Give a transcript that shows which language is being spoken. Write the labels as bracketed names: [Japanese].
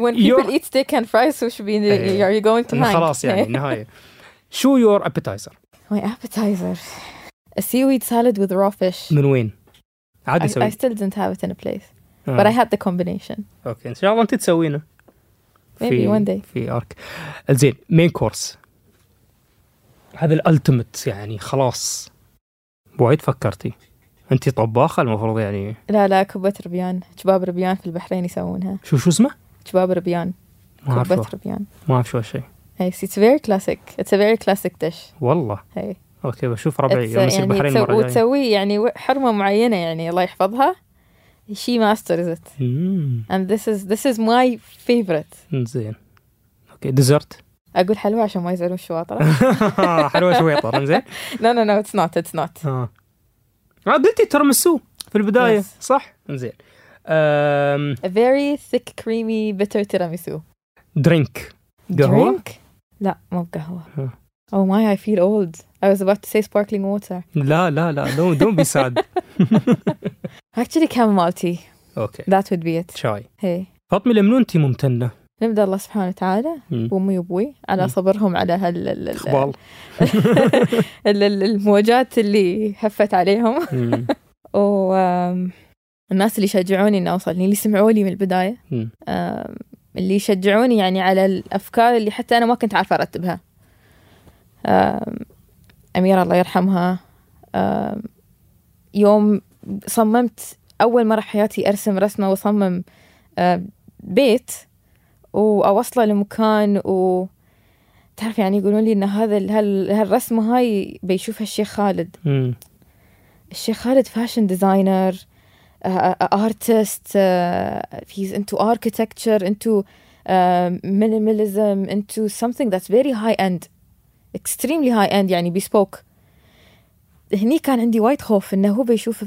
[English] when people eat steak and fries who should be in the, are you going to mind? [Arabic] خلاص يعني النهاية. شو [English] your appetizer؟ my appetizer a seaweed salad with raw fish. [Arabic] من وين؟ عادي سوي. [English] I still didn't have it in a place but I had the combination. [Arabic] اوكي ان شاء الله انت تسوينه [English] maybe one day. [Arabic] في ارك. زين main course هذا الالتيميت يعني خلاص. وايد فكرتي انت طباخة المفروض يعني. لا لا كبة ربيان، شباب ربيان في البحرين يسوونها. شو اسمه؟ شباب ربيان. كبة ربيان ما اعرف شو هالشيء. [English] Yes, it's very classic. It's a very classic dish. [Arabic] والله. [English] Hey. [Arabic] أوكي بشوف ربعي يوم يصير يعني بحرين مرة جاي. وتسوي يعني حرمة معينة يعني الله يحفظها. [English] She masters it. And this is my favorite. [Arabic] زين. أوكي dessert. أقول حلوة عشان ما يزعلوا الشواطرة. حلوة شويطرة زين. [English] No, it's not. [Arabic] قلتي ترمسو في البداية. Yes. صح؟ زين. [English] A very thick, creamy, bitter tiramisu. Drink. قهوة؟ drink? [Arabic] لا مو قهوة. [English] Oh my, I feel old. I was about to say sparkling water. [Arabic] لا لا لا [English] don't be sad. Actually chamomile tea. Okay. That would be it. [Arabic] شاي. [English] Hey. [Arabic] فاطمة لمنون انتي ممتنة. نبدا الله سبحانه وتعالى وامي وابوي على صبرهم على هال الاخبال الموجات اللي هفت عليهم. والناس اللي شجعوني اني اوصلني، اللي سمعوا لي من البداية. اللي يشجعوني يعني على الأفكار اللي حتى أنا ما كنت عارفة أرتبها. أميرة الله يرحمها يوم صممت أول مرة حياتي أرسم رسمة وصمم بيت وأوصله لمكان، وتعرف يعني يقولون لي إن هذا هالرسمة هاي بيشوفها الشيخ خالد. الشيخ خالد فاشن ديزاينر، [English] artist, he's into architecture, into minimalism, into something that's very high end, extremely high end. [Arabic] يعني bespoke. هني كان عندي وايد خوف إنه هو بيشوفه.